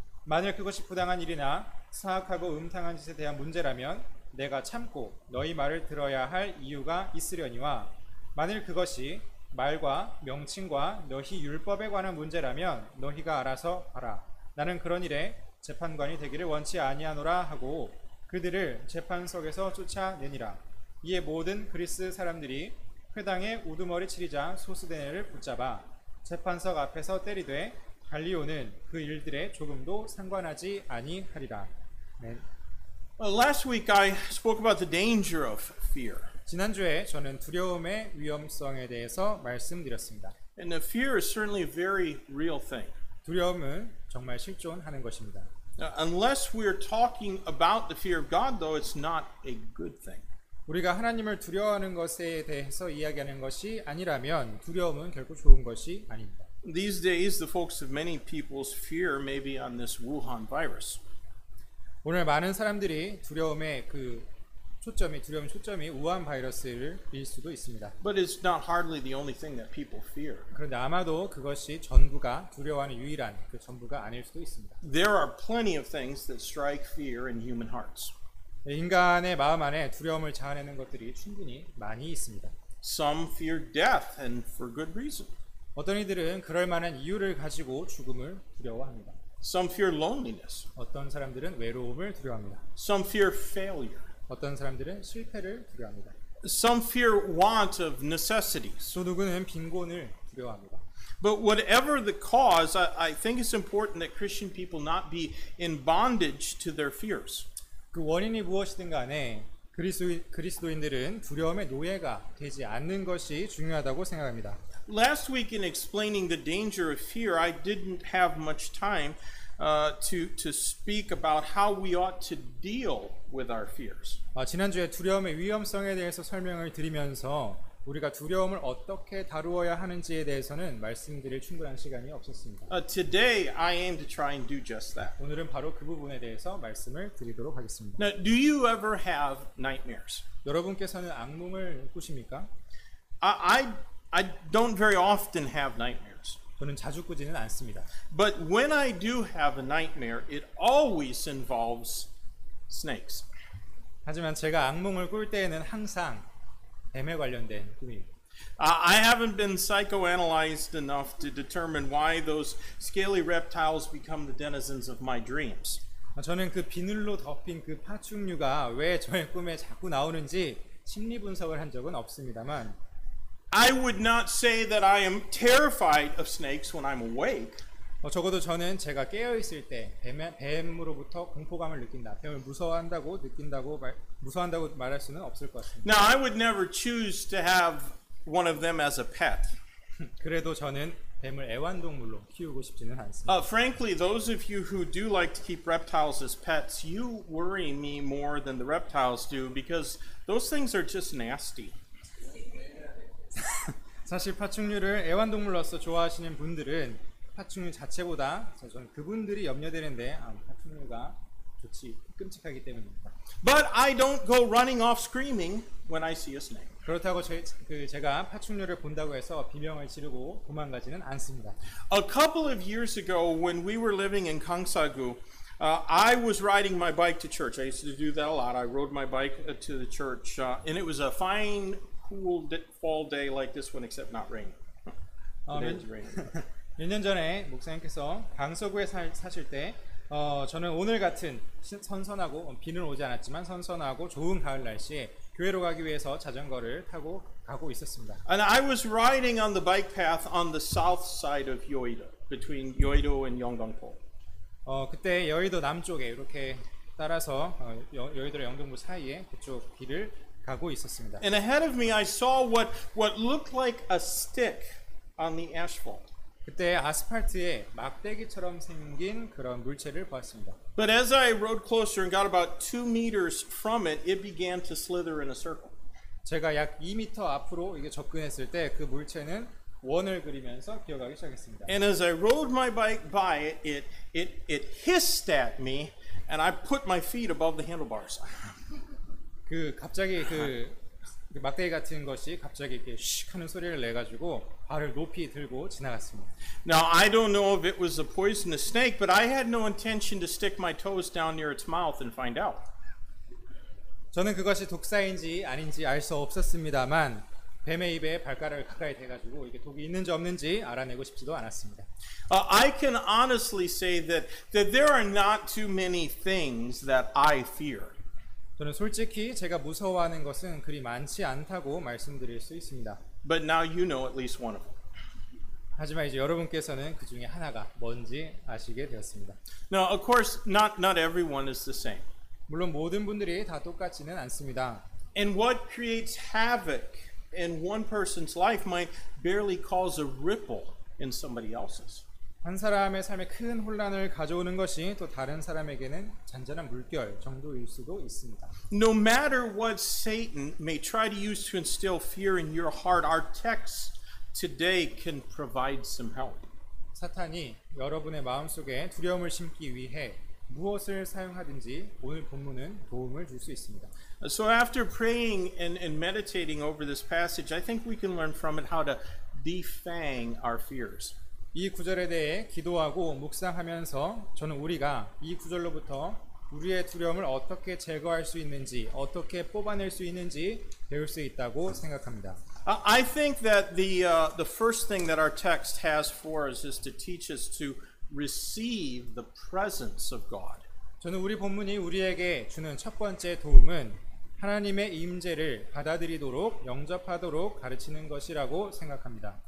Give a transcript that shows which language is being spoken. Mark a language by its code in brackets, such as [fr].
[ko] 만일 그것이 부당한 일이나 사악하고 음탕한 짓에 대한 문제라면 내가 참고 너희 말을 들어야 할 이유가 있으려니와 만일 그것이 말과 명칭과 너희 율법에 관한 문제라면 너희가 알아서 하라 나는 그런 일에 재판관이 되기를 원치 아니하노라 하고 그들을 재판석에서 쫓아내니라 이에 모든 그리스 사람들이 회당에 우두머리 치리자 소스데네를 붙잡아 재판석 앞에서 때리되 갈리오는 그 일들에 조금도 상관하지 아니하리라. 네. [en] Well, last week I spoke about the danger of fear. [ko] 지난주에 저는 두려움의 위험성에 대해서 말씀드렸습니다. [en] And the fear is certainly a very real thing. [ko] 두려움은 정말 실존하는 것입니다. [en] Now, unless we are talking about the fear of God, though, it's not a good thing. [ko] 우리가 하나님을 두려워하는 것에 대해서 이야기하는 것이 아니라면 두려움은 결코 좋은 것이 아닙니다. [en] These days, the focus of many people's fear may be on this Wuhan virus. [ko] 오늘 많은 사람들이 두려움의 그 초점이 두려움 초점이 우한 바이러스일 수도 있습니다. [en] But it's not hardly the only thing that people fear. [ko] 그런데 아마도 그것이 전부가 두려워하는 유일한 그 전부가 아닐 수도 있습니다. [en] There are plenty of things that strike fear in human hearts. [ko] 인간의 마음 안에 두려움을 자아내는 것들이 충분히 많이 있습니다. [en] Some fear death, and for good reason. [ko] 어떤 이들은 그럴 만한 이유를 가지고 죽음을 두려워합니다. [en] Some fear loneliness. [ko] 어떤 사람들은 외로움을 두려워합니다. [en] Some fear failure. [ko] 어떤 사람들은 실패를 두려워합니다. [en] Some fear want of necessities. [ko] 또 누구는 빈곤을 필요합니다. [en] But whatever the cause, I think it's important that Christian people not be in bondage to their fears. [ko] 그 원인이 무엇이든 간에 그리스도인들은 두려움의 노예가 되지 않는 것이 중요하다고 생각합니다. [en] Last week in explaining the danger of fear, I didn't have much time to speak about how we ought to deal with our fears. [ko] 지난주에 두려움의 위험성에 대해서 설명을 드리면서 우리가 두려움을 어떻게 다루어야 하는지에 대해서는 말씀드릴 충분한 시간이 없었습니다. [en] Today I aim to try and do just that. [ko] 오늘은 바로 그 부분에 대해서 말씀을 드리도록 하겠습니다. [en] Now, do you ever have nightmares? [ko] 여러분께서는 악몽을 꾸십니까? [en] I don't very often have nightmares. [ko] 저는 자주 꾸지는 않습니다. [en] But when I do have a nightmare, it always involves snakes. [ko] 하지만 제가 악몽을 꿀 때에는 항상 뱀에 관련된 꿈입니다. [en] I haven't been psychoanalyzed enough to determine why those scaly reptiles become the denizens of my dreams. [ko] 저는 그 비늘로 덮인 그 파충류가 왜 저의 꿈에 자꾸 나오는지 심리 분석을 한 적은 없습니다만. [en] I would not say that I am terrified of snakes when I'm awake. [ko] 적어도 저는 제가 깨어 있을 때 뱀으로부터 공포감을 느낀다. 뱀을 무서워한다고 무서워한다고 말할 수는 없을 것 같습니다. [en] Now I would never choose to have one of them as a pet. [ko] 그래도 저는 뱀을 애완동물로 키우고 싶지는 않습니다. [en] Frankly, those of you who do like to keep reptiles as pets, you worry me more than the reptiles do because those things are just nasty. [ko] 사실 파충류를 애완동물로서 좋아하시는 분들은 파충류 자체보다 저는 그분들이 염려되는데 파충류가 좋지 끔찍하기 때문입니다. [en] But I don't go running off screaming when I see a snake. [ko] 그렇다고 제가 파충류를 본다고 해서 비명을 지르고 도망가지는 않습니다. [en] A couple of years ago when we were living in Gangsa-gu, I was riding my bike to church. I used to do that a lot. I rode my bike to the church and it was a fine cool fall day like this one except not rain. It's raining. [ko] 몇 년 전에 목사님께서 강서구에 사실 때 저는 오늘 같은 선선하고 비는 오지 않았지만 선선하고 좋은 가을 날씨에 교회로 가기 위해서 자전거를 타고 가고 있었습니다. [en] And I was riding on the bike path on the south side of Yeouido between Yeouido and Yeongdong-po. [ko] 그때 여의도 남쪽에 이렇게 따라서 여의도 영등포 사이에 그쪽 길을 가고 있었습니다. [en] And ahead of me I saw what looked like a stick on the asphalt. [ko] 그때 아스팔트에 막대기처럼 생긴 그런 물체를 보았습니다. [en] But as I rode closer and got about 2 meters from it, it began to slither in a circle. [ko] 제가 약 2m 앞으로 이게 접근했을 때 그 물체는 원을 그리면서 기어가기 시작했습니다. [en] And as I rode my bike by it, it hissed at me and I put my feet above the handlebars. [ko] 그 갑자기 그 막대기 같은 것이 갑자기 이렇게 쉭 하는 소리를 내 가지고 발을 높이 들고 지나갔습니다. [en] Now I don't know if it was a poisonous snake, but I had no intention to stick my toes down near its mouth and find out. [ko] 저는 그것이 독사인지 아닌지 알 수 없었습니다만 뱀의 입에 발가락을 가까이 대 가지고 이게 독이 있는지 없는지 알아내고 싶지도 않았습니다. [en] I can honestly say that there are not too many things that I fear. [ko] 저는 솔직히 제가 무서워하는 것은 그리 많지 않다고 말씀드릴 수 있습니다. [en] But now you know at least one of them. [ko] 하지만 이제 여러분께서는 그 중에 하나가 뭔지 아시게 되었습니다. [en] Now, of course, not everyone is the same. [ko] 물론 모든 분들이 다 똑같지는 않습니다. [en] And what creates havoc in one person's life might barely cause a ripple in somebody else's. [ko] 한 사람의 삶에 큰 혼란을 가져오는 것이 또 다른 사람에게는 잔잔한 물결 정도일 수도 있습니다. [en] No matter what Satan may try to use to instill fear in your heart, our text today can provide some help. [ko] 사탄이 여러분의 마음속에 두려움을 심기 위해 무엇을 사용하든지 오늘 본문은 도움을 줄 수 있습니다. [en] So after praying and meditating over this passage, I think we can learn from it how to defang our fears. [ko] 이 구절에 대해 기도하고 묵상하면서 저는 우리가 이 구절로부터 우리의 두려움을 어떻게 제거할 수 있는지 어떻게 뽑아낼 수 있는지 배울 수 있다고 생각합니다. [en] I think that the first thing that our text has for us is to teach us to receive the presence of God. [ko] 저는 우리 본문이 우리에게 주는 첫 번째 도움은 하나님의 임재를 받아들이도록 영접하도록 가르치는 것이라고 생각합니다.